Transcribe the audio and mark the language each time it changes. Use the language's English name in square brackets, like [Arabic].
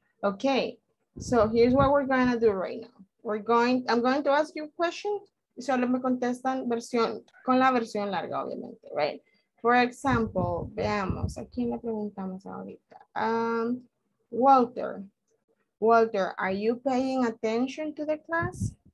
[English] Okay, so here's what we're going to do right now. I'm going to ask you a question. [Spanish] Solo me contestan versión, con la versión larga, obviamente, [English] right? For example, [Spanish] veamos, ¿a quién le preguntamos ahorita? [English] Walter, are you paying attention to the class?